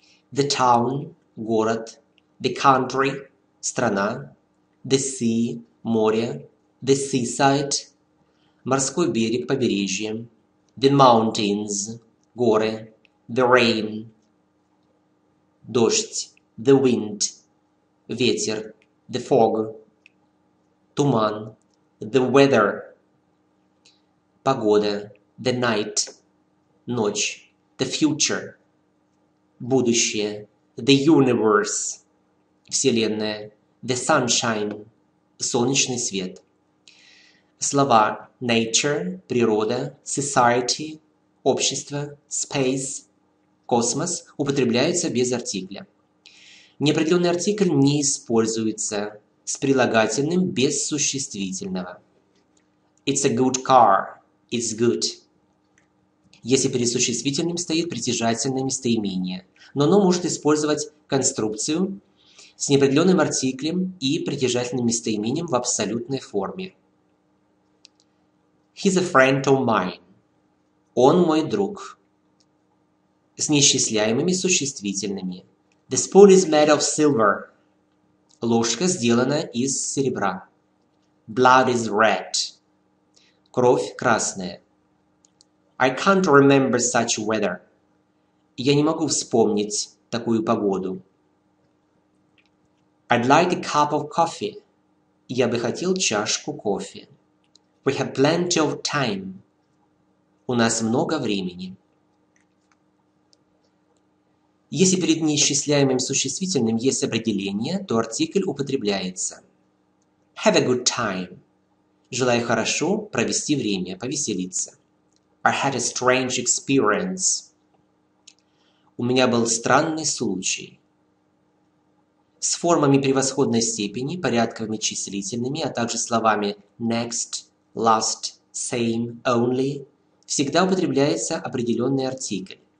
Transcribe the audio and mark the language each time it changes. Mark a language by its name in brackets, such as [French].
[English] The town – [Russian] город. [English] The country – [Russian] страна. [English] The sea – [Russian] море. [English] The seaside [Russian] – морской берег, побережье. [English] The mountains – [Russian] горы. [English] The rain – [Russian] дождь. [English] The wind – [Russian] ветер. [English] The fog – [Russian] туман. [English] The weather – [Russian] погода. [English] The night – [Russian] ночь. [English] The future – [Russian] будущее. [English] The universe – [Russian] вселенная. [English] The sunshine [Russian] – солнечный свет. Слова nature – природа, society – общество, space – космос употребляются без артикля. Неопределенный артикль не используется с прилагательным без существительного. [English] It's a good car. It's good. [Russian] Если перед существительным стоит притяжательное местоимение, но оно может использовать конструкцию с неопределенным артиклем и притяжательным местоимением в абсолютной форме. [English] He's a friend of mine. [Russian] Он мой друг. С неисчисляемыми существительными. [English] The spoon is made of silver. [Russian] Ложка сделана из серебра. [English] Blood is red. [Russian] Кровь красная. [English] I can't remember such weather. [Russian] Я не могу вспомнить такую погоду. [English] I'd like a cup of coffee. [Russian] Я бы хотел чашку кофе. [English] We have plenty of time. [Russian] У нас много времени. Если перед неисчисляемым существительным есть определение, то артикль употребляется. [English] Have a good time. [Russian] Желаю хорошо провести время, повеселиться. [English] I had a strange experience. [Russian] У меня был странный случай. С формами превосходной степени, порядковыми числительными, а также словами next, last, same, only, всегда употребляется определенный артикль.